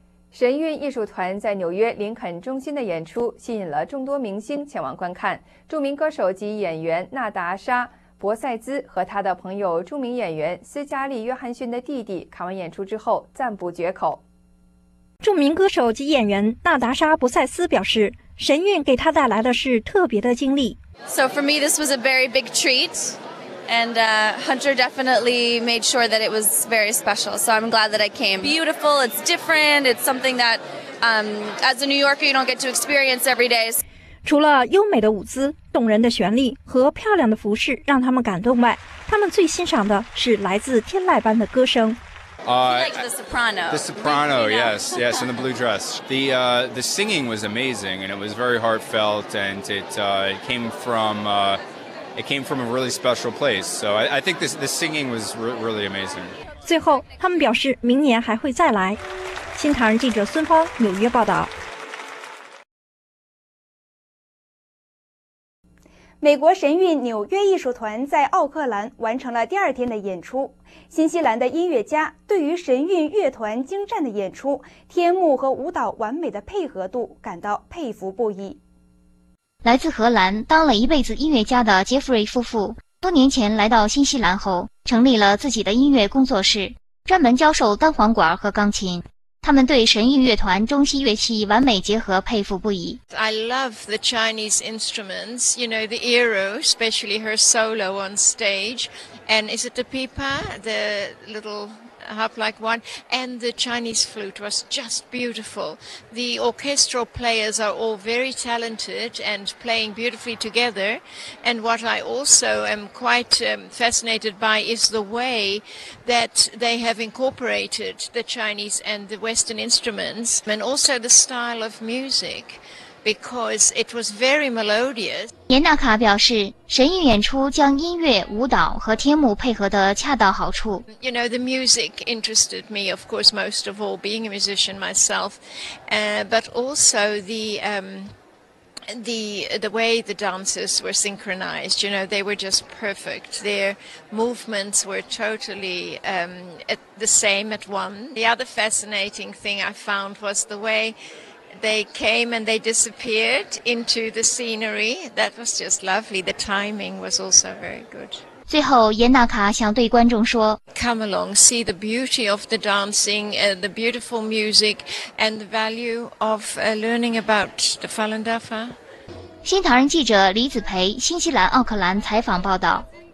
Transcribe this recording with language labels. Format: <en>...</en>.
<zh>神韵艺术团在纽约林肯中心的演出吸引了众多明星前往观看，著名歌手及演员纳达莎博塞兹和他的朋友著名演员斯嘉丽·约翰逊的弟弟看完演出之后赞不绝口。著名歌手及演员纳达莎·博塞兹表示，神韵给他带来的是特别的经历。</zh> <en>So for me this was a very big treat and Hunter definitely made sure that it was very special, so I'm glad that I came. Beautiful, it's different, it's something that as a New Yorker you don't get to experience every day.</en> <zh>除了优美的舞姿、动人的旋律和漂亮的服饰让他们感动外，他们最欣赏的是来自天籁般的歌声。</zh> <en>Like the soprano. The soprano, yes, yes, in the blue dress. The singing was amazing, and it was very heartfelt, and it came from a really special place. So I think the singing was really amazing.</en> <zh>最后，他们表示明年还会再来。新唐人记者孙芳，纽约报道。美国神韵纽约艺术团在奥克兰完成了第二天的演出。新西兰的音乐家对于神韵乐团精湛的演出、天幕和舞蹈完美的配合度感到佩服不已。来自荷兰当了一辈子音乐家的杰弗瑞夫妇，多年前来到新西兰后，成立了自己的音乐工作室，专门教授单簧管和钢琴。他们对神韵乐团中西乐器完美结合佩服不已。</zh> <en>I love the Chinese instruments, you know, the iru, especially her solo on stage, and is it the pipa, the little harp-like one, and the Chinese flute was just beautiful. The orchestral players are all very talented and playing beautifully together, and what I also am quite fascinated by is the way that they have incorporated the Chinese and the Western instruments, and also the style of music, because it was very melodious.</en> <zh>严娜卡表示，神韵演出将音乐、舞蹈和天幕配合得恰到好处。</zh> <en>You know, the music interested me, of course, most of all, being a musician myself, but also the way the dancers were synchronized, you know, they were just perfect. Their movements were totally at the same at one. The other fascinating thing I found was the way they came and they disappeared into the scenery. That was just lovely. The timing was also very good.</en> <zh>最后，严娜卡想对观众说，</zh> <en>Come along, see the beauty of the dancing, the beautiful music, and the value of learning about the Falun Dafa.</en> <zh>新唐人记者李子培，新西兰奥克兰采访报道。</zh>